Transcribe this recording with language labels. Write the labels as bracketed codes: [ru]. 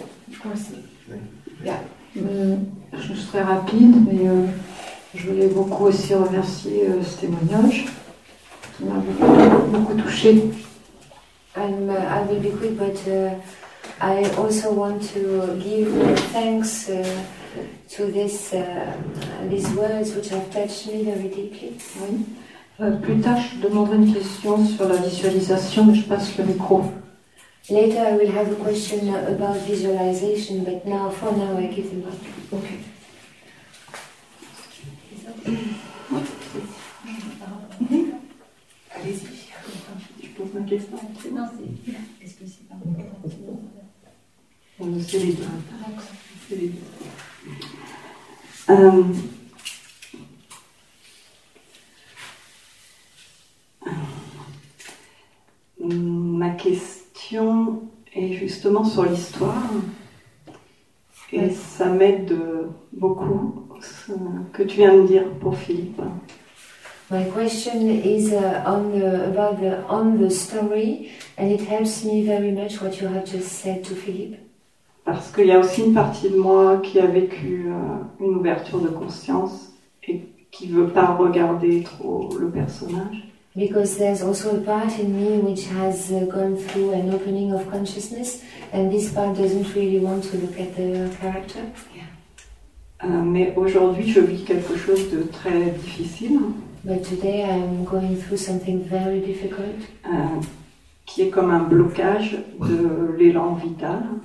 [fr] Je suis très rapide, mais je voulais beaucoup aussi remercier ce témoignage. Ça m'a beaucoup touché. [en] I will be quick, but I also want to give thanks to these words which have touched me very deeply. [fr] Oui. Plus tard, je demanderai une question sur la visualisation, mais je passe le micro. [en] Later, I will have a question about visualization, but now, for now, I give the mic. Ok. [fr] Allez-y. Je pose ma question. Non, c'est. Est-ce que c'est pas bon? C'est les deux. Ma question est justement sur l'histoire, et ça m'aide beaucoup ce que tu viens de dire pour Philippe. [en] My question is about the story, and it helps me very much what you have just said to Philippe. [fr] Parce qu'il y a aussi une partie de moi qui a vécu une ouverture de conscience et qui ne veut pas regarder trop le personnage. [en] Because there's also a part in me which has gone through an opening of consciousness, and this part doesn't really want to look at the character. [fr] Mais aujourd'hui, je vis quelque chose de très difficile. [en] But today I'm going through something very difficult. [fr] Qui est comme un blocage de l'élan vital.